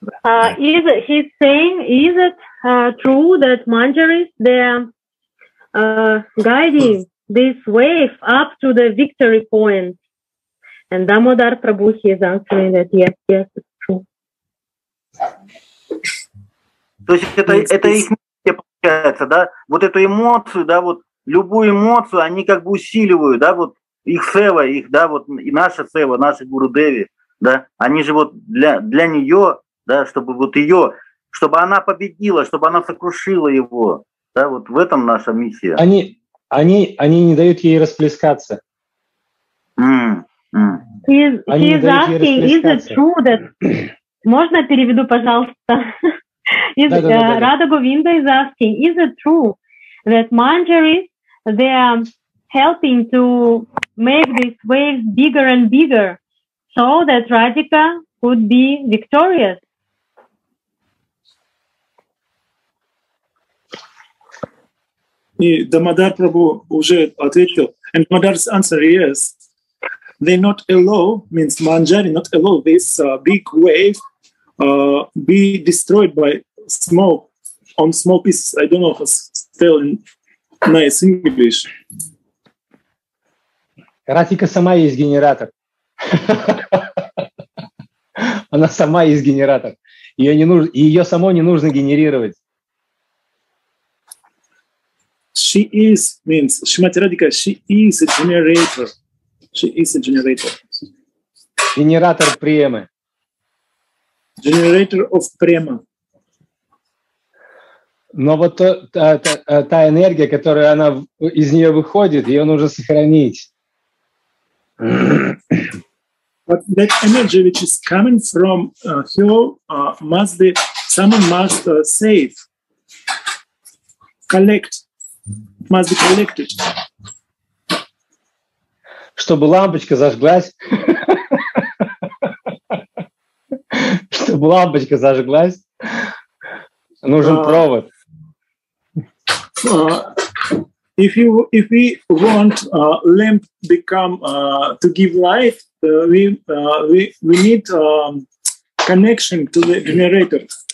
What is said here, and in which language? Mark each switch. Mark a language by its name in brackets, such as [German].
[English] He's saying, is it true that Manjaris they are guiding this wave up to the victory point? And Damodar Prabhu is answering that yes, it's true. [Russian] То есть это их мысль получается, да? Вот эту эмоцию, да, вот любую эмоцию они как бы усиливают, да, вот их сева, их, да, вот и наша сева, наши Гуру Деви, да, они же вот для нее. Да, чтобы вот ее, чтобы она победила, чтобы она сокрушила его. Да, вот в этом наша миссия. Они не дают ей расплескаться. [English] He's asking, is it true that... [Russian] Можно переведу, пожалуйста? [English] Radha Govinda is asking, is it true that Manjaris, they are helping to make these waves bigger and bigger so that Radhika could be victorious? [Russian] И Дамодар Прабху уже ответил. [English] And Дамодар's answer is yes. They not allow, means Manjari not allow this big wave be destroyed by smoke on small pieces. I don't know how to tell in nice English. [Russian] Радика сама есть генератор. Она сама есть генератор. Ее само не нужно генерировать. [English] She is means Shrimati Radhika. She is a generator. She is a generator. Generator prema. Generator of prema. [Russian] Но вот та энергия, которая она из нее выходит, ее нужно сохранить. [English] That energy which is coming from her must be someone must save, collect, must be collected. [Russian] Чтобы лампочка зажглась. Чтобы лампочка зажглась, нужен провод. [English] If we want lamp become to give light, we need connection to the generator.